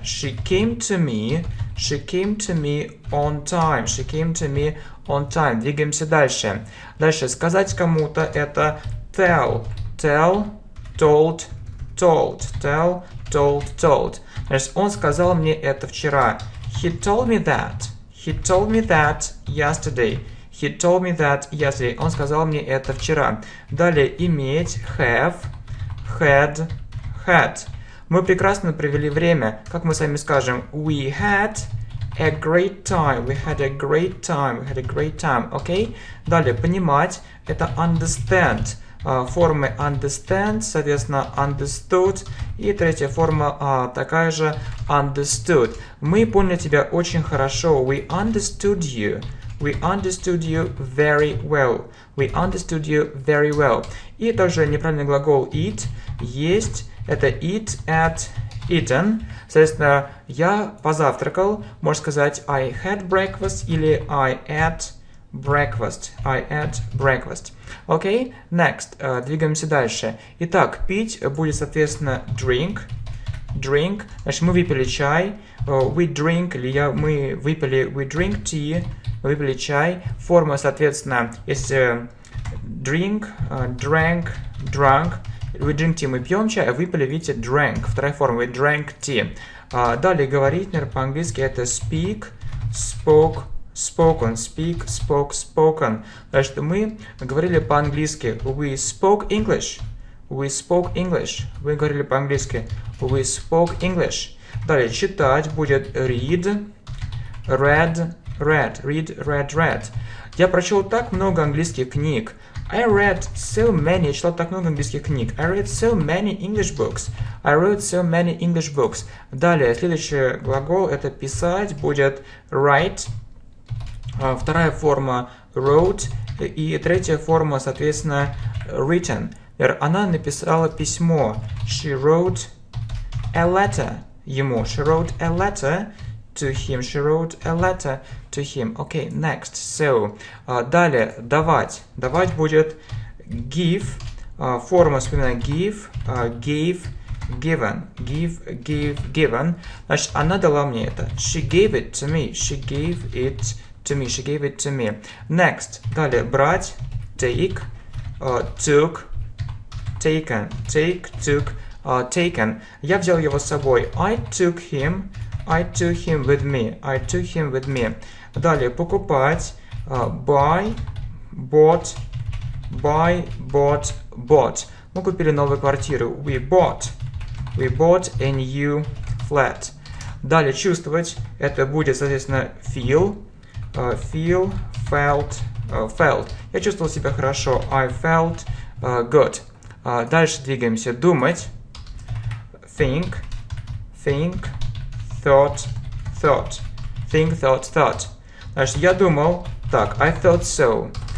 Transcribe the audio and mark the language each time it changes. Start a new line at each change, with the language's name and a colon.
English: She came to me. She came to me on time. She came to me on time.
Russian: Двигаемся дальше. Дальше. Сказать кому-то — это tell.
English: Tell, told, told. Tell, told, told.
Russian: Значит, он сказал мне это вчера.
English: He told me that. He told me that yesterday. He told me that yesterday.
Russian: Он сказал мне это вчера. Далее, иметь,
English: have, had, had.
Russian: Мы прекрасно провели время. Как мы с вами скажем?
English: We had a great time. We had a great time. We had a great time.
Russian: Okay? Далее, понимать. Это understand. Формы understand, соответственно, understood. И третья форма такая же, understood. Мы поняли тебя очень хорошо.
English: We understood you. We understood you very well. We understood you very well.
Russian: И также неправильный глагол eat, есть.
English: Это eat at eaten.
Russian: Соответственно, я позавтракал. Можно сказать
English: I had breakfast или I ate breakfast. I ate breakfast. Okay, next.
Russian: Двигаемся дальше. Итак, пить будет, соответственно, drink. Drink. Значит, мы выпили чай.
English: We drink.
Russian: Или мы выпили.
English: We drink tea.
Russian: Выпили чай. Форма, соответственно, если drink, drank, drunk.
English: We drink tea,
Russian: мы пьем чай, а выпили, видите, drank. Вторая форма,
English: we drank tea.
Russian: Далее говорить, например, по-английски это speak, spoke, spoken.
English: Speak, spoke, spoken.
Russian: Значит, мы говорили по-английски.
English: We spoke English. We spoke English.
Russian: Вы говорили по-английски.
English: We spoke English.
Russian: Далее читать будет read, read.
English: Read, read, read, read.
Russian: Я прочел так много английских книг.
English: I read so many.
Russian: Я читал так много английских книг.
English: I read so many English books. I read so many English books.
Russian: Далее, следующий глагол — это писать, будет write. Вторая форма — wrote. И третья форма, соответственно, written. Она написала письмо.
English: She wrote a letter ему. She wrote a letter to him. She wrote a letter to him. Okay, next.
Russian: So, далее, давать. Давать будет give. Форма, вспоминаю, give, gave, given.
English: Give, give, given.
Russian: Значит, она дала мне это.
English: She gave it to me. She gave it to me. She gave it to me. Next.
Russian: Далее, брать.
English: Take, took, taken. Take, took, taken.
Russian: Я взял его с собой.
English: I took him. I took him with me. I took him with me.
Russian: Далее, покупать.
English: Buy, bought. Buy, bought, bought.
Russian: Мы купили новую квартиру.
English: We bought. We bought a new flat.
Russian: Далее чувствовать, это будет, соответственно, feel.
English: Feel, felt, felt.
Russian: Я чувствовал себя хорошо.
English: I felt good.
Russian: Дальше двигаемся. Думать.
English: Think, think, thought, thought. Think, thought, thought.
Russian: Значит, я думал.
English: Так, I thought so.